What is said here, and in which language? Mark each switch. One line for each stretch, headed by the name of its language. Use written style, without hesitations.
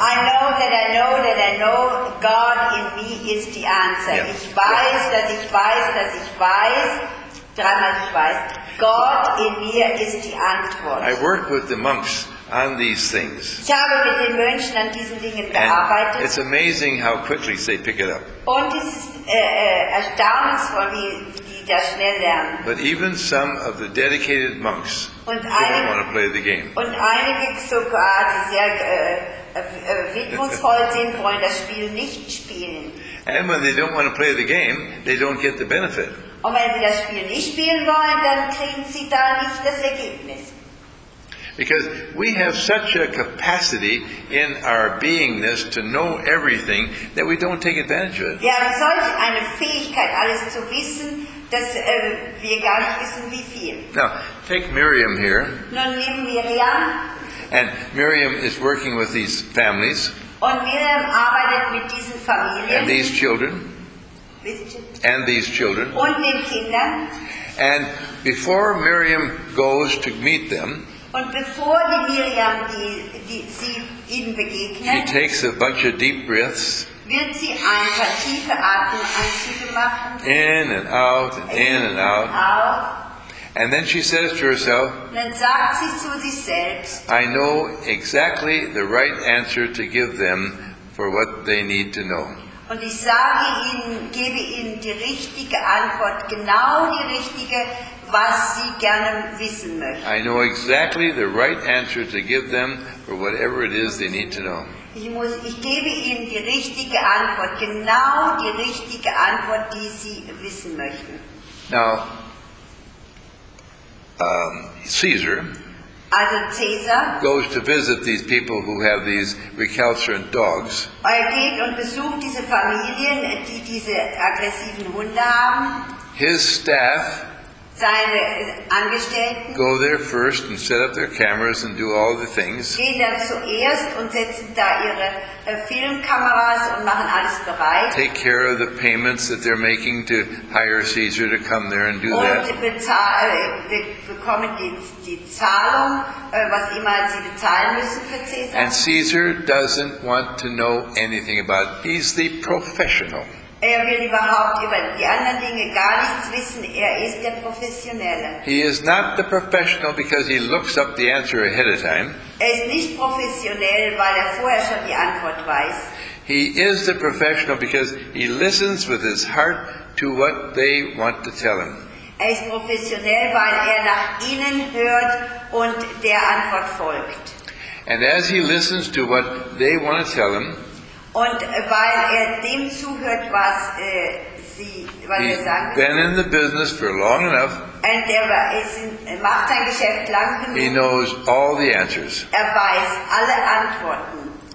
English: I know that I know that I know God in me is the answer. Yeah.
German: Ich weiß, yeah, dass ich weiß, dass ich weiß. Dreimal ich weiß. God in me is the answer.
English: I work with the monks on these things.
German: Ich habe mit den Mönchen an diesen Dingen gearbeitet.
English: And it's amazing how quickly they pick it up.
German: Und es ist erstaunlich, wie das schnell lernen.
English: But even some of the dedicated monks don't want to play the game.
German: Und einige sogar, die sehr widmungsvoll sind, wollen das Spiel nicht spielen.
English: And when they don't want to play the game, they don't get the benefit.
German: Und wenn sie das Spiel nicht spielen wollen, dann kriegen sie da nicht das Ergebnis.
English: Because we have such a capacity in our beingness to know everything that we don't take advantage of it.
German: Wir haben solch eine Fähigkeit, alles zu wissen, dass wir gar nicht wissen, wie viel.
English: Now, take Miriam here.
German: Nun nehmen wir Miriam.
English: And Miriam is working with these families.
German: Und Miriam arbeitet mit diesen Familien.
English: And these children. With children. And these children.
German: Und den Kindern.
English: And before Miriam goes to meet them,
German: und bevor die Miriam sie ihnen begegnet,
English: she takes a bunch of deep breaths,
German: wird sie ein paar tiefe Atemzüge machen,
English: in and out, and in and out. Out. And then she says to herself,
German: dann sagt sie zu sich selbst,
English: I know exactly the right answer to give them for what they need to know.
German: Und ich sage ihnen, gebe ihnen die richtige Antwort, genau die richtige, was sie gerne wissen möchten.
English: I know exactly the right answer to give them for whatever it is they need to know.
German: Ich gebe ihnen die richtige Antwort, genau die richtige Antwort, die sie wissen möchten.
English: Now, Caesar,
German: also Caesar
English: goes to visit these people who have these recalcitrant dogs.
German: Er geht und besucht diese Familien, die diese aggressiven Hunde haben.
English: His staff,
German: seine Angestellten,
English: go there first and set up their cameras and do all the things.
German: Gehen dann zuerst und setzen da ihre Filmkameras und machen alles bereit.
English: Take care of the payments that they're making to hire Caesar to come there and do that.
German: Und bekommen die Zahlung, was immer sie bezahlen müssen für Caesar.
English: And Caesar doesn't want to know anything about it. He's the professional.
German: Er will überhaupt über die anderen Dinge gar nichts wissen. Er ist der Professionelle.
English: He is not the professional because he looks up the answer ahead of time.
German: Er ist nicht professionell, weil vorher schon die Antwort weiß.
English: He is the professional because he listens with his heart to what they want to tell him.
German: Er ist professionell, weil nach ihnen hört und der Antwort folgt.
English: And as he listens to what they want to tell him,
German: und weil dem zuhört, was was
English: he's
German: sagen will,
English: been in the business for long enough,
German: and macht sein Geschäft lang genug,
English: he knows all the answers.
German: Weiß alle Antworten.